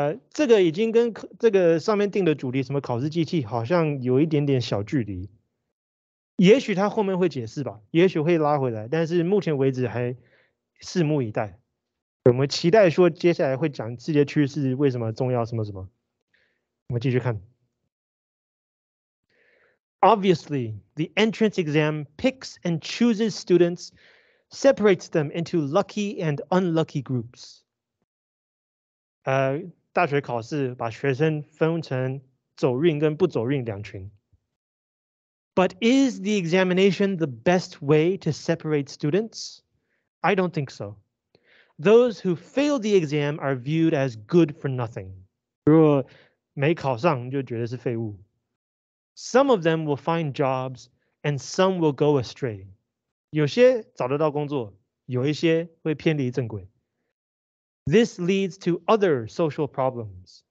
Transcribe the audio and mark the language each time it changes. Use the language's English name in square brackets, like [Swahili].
[Chinese] 这个已经跟这个上面定的主题什么考试机器好像有一点点小距离。也许他后面会解释吧，也许会拉回来，但是目前为止还拭目以待，我们期待说接下来会讲世界趋势为什么重要什么什么。我们继续看。 [English] Obviously, the entrance exam picks and chooses students, separates them into lucky and unlucky groups. [Chinese] 大学考试把学生分成走运跟不走运两群。 [English] But is the examination the best way to separate students? I don't think so. Those who fail the exam are viewed as good for nothing. [Chinese] 如果没考上就觉得是废物。 [English] Some of them will find jobs and some will go astray. [Chinese] 有些找得到工作，有一些会偏离正轨。 [English] This leads to other social problems.